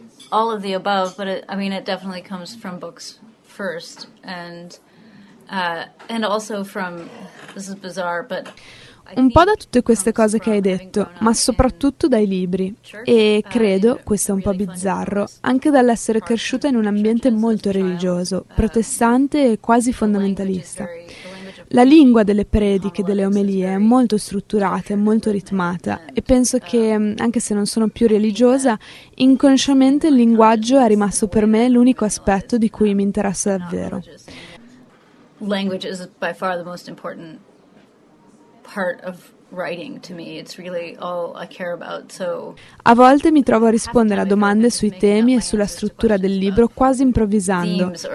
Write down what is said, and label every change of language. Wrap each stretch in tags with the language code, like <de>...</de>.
<en>All of the above, but it definitely comes from books first, and also from, this is bizarre, but</en> <it>un po' da tutte queste cose che hai detto, ma soprattutto dai libri. E credo, questo è un po' bizzarro, anche dall'essere cresciuta in un ambiente molto religioso, protestante e quasi fondamentalista. La lingua delle prediche, delle omelie, è molto strutturata e molto ritmata e penso che, anche se non sono più religiosa, inconsciamente il linguaggio è rimasto per me l'unico aspetto di cui mi interessa davvero.</it> <en>Language is by far the most important part of writing to me. It's really all I care about. So</en> <it>a volte mi trovo a rispondere a domande sui temi e sulla struttura del libro quasi improvvisando.</it>